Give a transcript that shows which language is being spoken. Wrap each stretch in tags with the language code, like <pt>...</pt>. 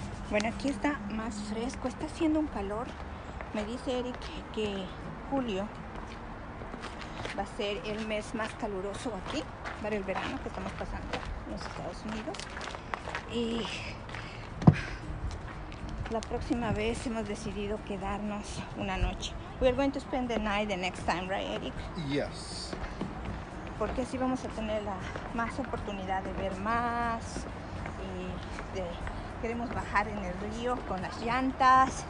<es>Bueno, aquí está más fresco, está haciendo un calor. Me dice Eric que julio va a ser el mes más caluroso aquí para el verano que estamos pasando en los Estados Unidos. Y la próxima vez hemos decidido quedarnos una noche.</es> <en>We're going to spend the night the next time, right, Eric? Yes.</en> <es>Porque así vamos a tener la más oportunidad de ver más y de... Queremos bajar en el río con las llantas.</es>